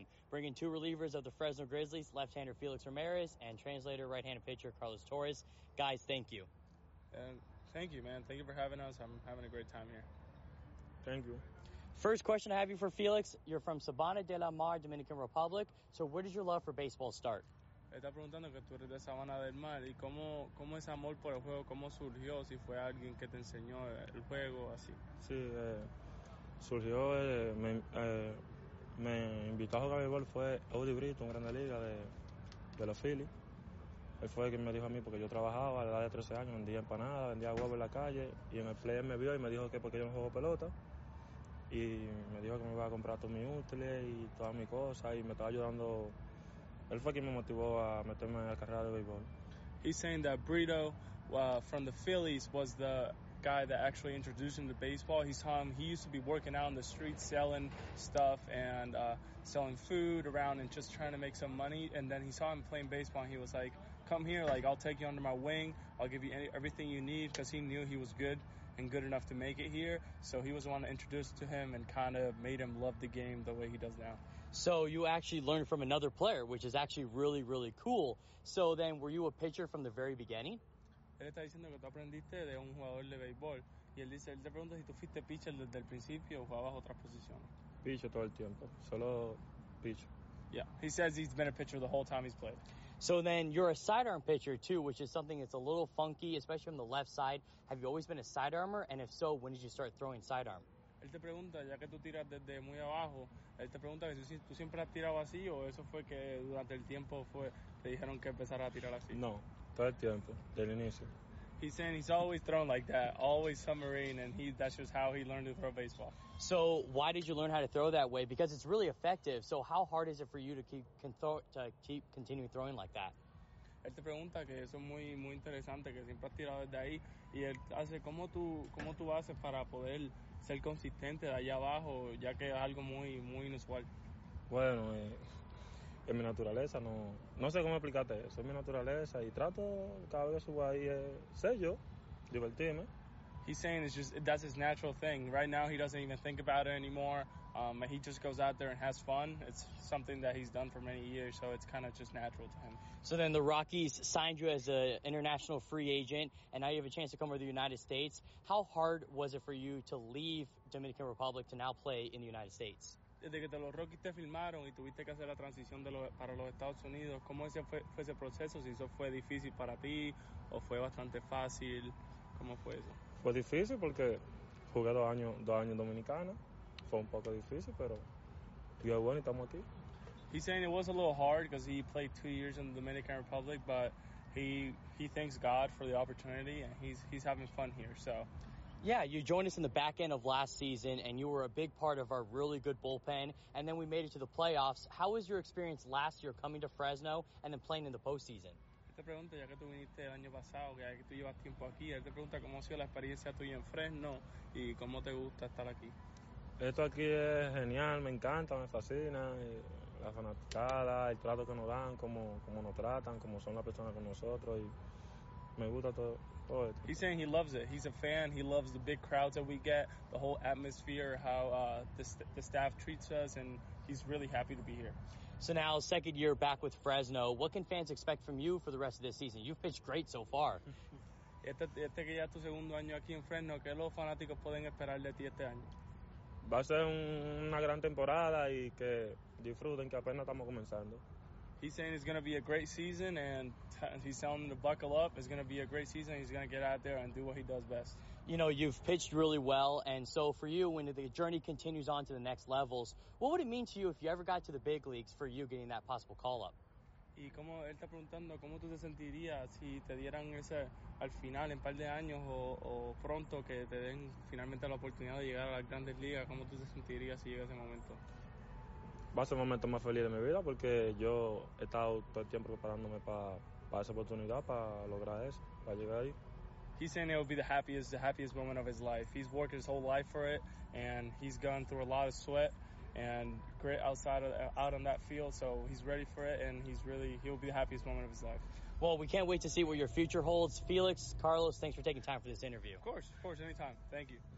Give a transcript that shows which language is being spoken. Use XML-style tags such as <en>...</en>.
<en>Bringing two relievers of the Fresno Grizzlies, left-hander Felix Ramirez and translator right-handed pitcher Carlos Torres. Guys, thank you. Thank you, man. Thank you for having us. I'm having a great time here. Thank you. First question I have you for Felix. You're from Sabana de la Mar, Dominican Republic. So where does your love for baseball start?</en> <es>Está preguntando que tú eres de Sabana del Mar y cómo ese amor por el juego, cómo surgió, si fue alguien que te enseñó el juego, así. Sí, surgió, me invitó a jugar béisbol, fue Audi Brito, un grande liga de los Phillies. Él fue quien me dijo a mí, porque yo trabajaba a la edad de 13 años, vendía empanadas, vendía huevos en la calle, y en el player me vio y me dijo que porque yo no juego pelota, y me dijo que me iba a comprar todos mis útiles y todas mis cosas, y me estaba ayudando Él fue quien me motivó a meterme en la carrera de béisbol.</es> <en>He's saying that Brito from the Phillies was the guy that actually introduced him to baseball. He's home. He used to be working out in the streets selling stuff and selling food around and just trying to make some money. And then he saw him playing baseball and he was like, come here, like, I'll take you under my wing. I'll give you everything you need, because he knew he was good and good enough to make it here. So he was the one to introduce to him and kind of made him love the game the way he does now. So you actually learned from another player, which is actually really, really cool. So then were you a pitcher from the very beginning?</en> <es>Él está diciendo que tú aprendiste de un jugador de béisbol. Y él dice, él te pregunta si tú fuiste pitcher desde el principio o jugabas otras posiciones. Pitcher todo el tiempo. Solo pitcher.</es> <en>Yeah, he says he's been a pitcher the whole time he's played. So then you're a sidearm pitcher too, which is something that's a little funky, especially on the left side. Have you always been a sidearmer? And if so, when did you start throwing sidearm?</en> <es>Él te pregunta, ya que tú tiras desde muy abajo, él te pregunta que si tú siempre has tirado así o eso fue que durante el tiempo fue, te dijeron que empezara a tirar así. No. Todo el tiempo, del inicio.</es> <en>He's saying he's always thrown like that, always submarine, and that's just how he learned to throw baseball. So why did you learn how to throw that way? Because it's really effective. So how hard is it for you to keep continuing throwing like that?</en> <es>Él te pregunta que eso es muy, muy interesante, que siempre has tirado desde ahí. Y él hace, ¿cómo tú haces para poder ser consistente de allá abajo, ya que es algo muy, muy inusual? Bueno, es mi naturaleza, no sé cómo explicarte eso, es mi naturaleza y trato cada vez que subo ahí, sé yo, divertirme.</es> <en>He's saying it's just, that's his natural thing. Right now he doesn't even think about it anymore. He just goes out there and has fun. It's something that he's done for many years, so it's kind of just natural to him. So then the Rockies signed you as an international free agent, and now you have a chance to come over to the United States. How hard was it for you to leave Dominican Republic to now play in the United States?</en> <es>Desde que los Rockies te firmaron y tuviste que hacer la transición para los Estados Unidos, ¿cómo fue ese proceso? Si eso fue difícil para ti o fue bastante fácil, ¿cómo fue eso? Fue difícil porque jugué dos años dominicana, fue un poco difícil, pero yo bueno y estamos aquí.</es> <en>He's saying it was a little hard because he played 2 years in the Dominican Republic, but he thanks God for the opportunity and he's having fun here, so. Yeah, you joined us in the back end of last season, and you were a big part of our really good bullpen, and then we made it to the playoffs. How was your experience last year coming to Fresno and then playing in the postseason?</en> <es>Te pregunto, ya que tú viniste el año pasado, ya que tú llevas tiempo aquí, él te pregunta cómo ha sido la experiencia tuya en Fresno y cómo te gusta estar aquí. Esto aquí es genial, me encanta, me fascina, y la fanaticada, el trato que nos dan, cómo nos tratan, cómo son las personas con nosotros, y me gusta todo.</es> <en>He's saying he loves it. He's a fan. He loves the big crowds that we get, the whole atmosphere, how the staff treats us, and he's really happy to be here. So now, second year back with Fresno, what can fans expect from you for the rest of this season? You've pitched great so far.</en> <es>Este que ya es tu segundo año aquí en Fresno, ¿qué los fanáticos pueden esperar de ti este año? Va a ser una gran temporada y que disfruten, que apenas estamos comenzando.</es> <en>He's saying it's going to be a great season, and he's telling them to buckle up. It's going to be a great season. He's going to get out there and do what he does best. You know, you've pitched really well, and so for you, when the journey continues on to the next levels, what would it mean to you if you ever got to the big leagues for you getting that possible call-up?</en> <es>Y como él está preguntando, ¿cómo tú te sentirías si te dieran ese al final, en par de años o pronto, que te den finalmente la oportunidad de llegar a las grandes ligas? ¿Cómo tú te sentirías si llega ese momento? Va a ser el momento más feliz de mi vida porque yo he estado todo el tiempo preparándome para esa oportunidad, para lograr eso, para llegar ahí.</es> <en>He's saying it will be the happiest moment of his life. He's worked his whole life for it, and he's gone through a lot of sweat and grit out on that field, so he's ready for it, and he'll be the happiest moment of his life. Well, we can't wait to see what your future holds. Felix, Carlos, thanks for taking time for this interview. Of course, anytime. Thank you.</en>